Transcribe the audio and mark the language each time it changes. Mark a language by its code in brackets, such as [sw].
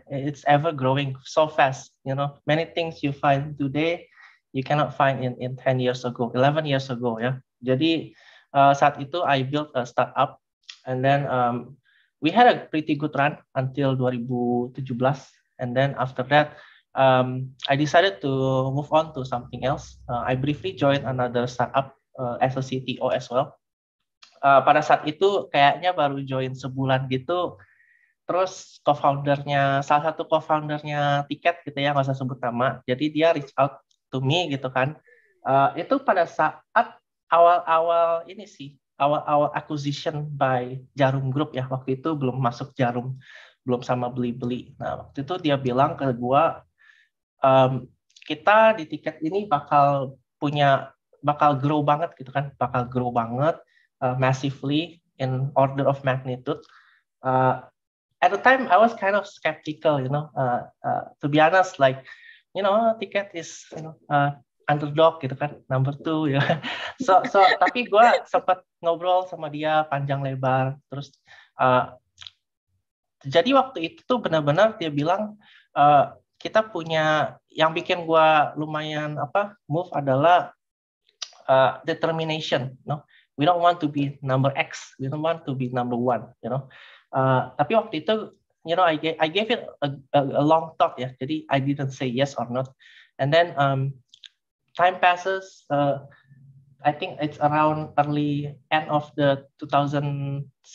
[en] It's ever growing so fast. You know, many things you find today, you cannot find in 10 years ago, 11 years ago ya. [id] Jadi saat itu [en] I built a startup. And then we had a pretty good run until 2017. And then after that, I decided to move on to something else. I briefly joined another startup as a CTO as well. [id] Pada saat itu kayaknya baru join sebulan gitu. Terus salah satu co-foundernya Tiket gitu ya, nggak usah sebut nama. Jadi dia [en] reach out to me [id] gitu kan. Itu pada saat awal-awal ini sih. Awal-awal acquisition by Jarum Group ya, waktu itu belum masuk Jarum, belum sama beli-beli. Nah, waktu itu dia bilang ke gua, kita di Tiket ini bakal grow banget [en] massively in order of magnitude. At the time I was kind of skeptical, you know, to be honest, like, you know, Tiket is, you know, underdog [id] gitu kan, [en] number two ya. So [id] tapi gue sempat ngobrol sama dia panjang lebar. Terus jadi waktu itu tuh benar-benar dia bilang kita punya, yang bikin gue lumayan apa move adalah determination. [en] No, we don't want to be number X, we don't want to be number one. You know, [id] tapi waktu itu, [en] you know, I gave it a long thought ya. [id] Jadi [en] I didn't say yes or not. And then time passes. I think it's around early end of the 2017.